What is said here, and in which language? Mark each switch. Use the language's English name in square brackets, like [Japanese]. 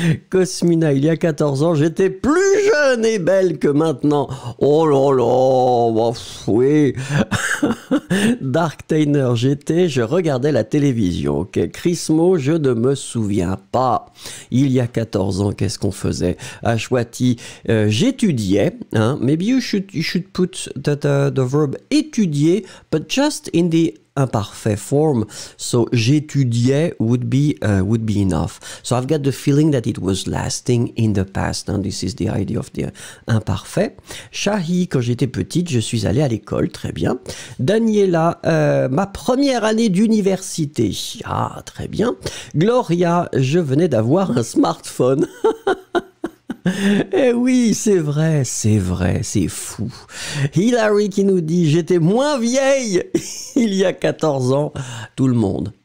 [French] Cosmina, il y a 14 ans, j'étais plus jeune et belle que maintenant. Oh là là, bah, oui. Dark Tainer, j'étais, je regardais la télévision. Okay. Chrismo, je ne me souviens pas. Il y a 14 ans, qu'est-ce qu'on faisait? Ashwati, j'étudiais. Hein? [English] Maybe you should put the verb étudier, but just in the imparfait form. So j'étudiais would be enough. So I've got the feeling that it was lasting in the past. And this is the idea of the imparfait. [French] Shahi, quand j'étais petite, je suis allée à l'école. Très bien. Daniela, ma première année d'université. Ah, très bien. Gloria, je venais d'avoir un smartphone. Eh oui, c'est vrai, c'est vrai, c'est fou. Hillary qui nous dit « J'étais moins vieille il y a 14 ans. » Tout le monde.